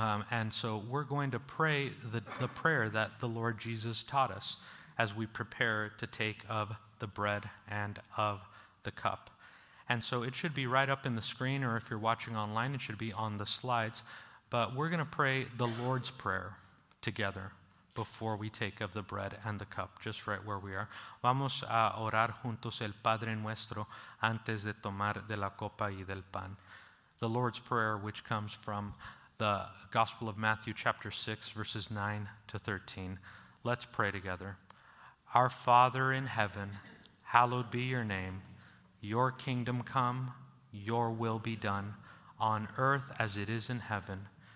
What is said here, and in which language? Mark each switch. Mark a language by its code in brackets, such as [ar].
[en] And so we're going to pray the prayer that the Lord Jesus taught us as we prepare to take of the bread and of the cup. And so it should be right up in the screen, or if you're watching online, it should be on the slides. But we're going to pray the Lord's Prayer together before we take of the bread and the cup, just right where we are. [es] Vamos a orar juntos el Padre Nuestro antes de tomar de la copa y del pan. [en] The Lord's Prayer, which comes from the Gospel of Matthew chapter 6, verses 9 to 13. Let's pray together. Our Father in heaven, hallowed be your name. Your kingdom come, your will be done, on earth as it is in heaven.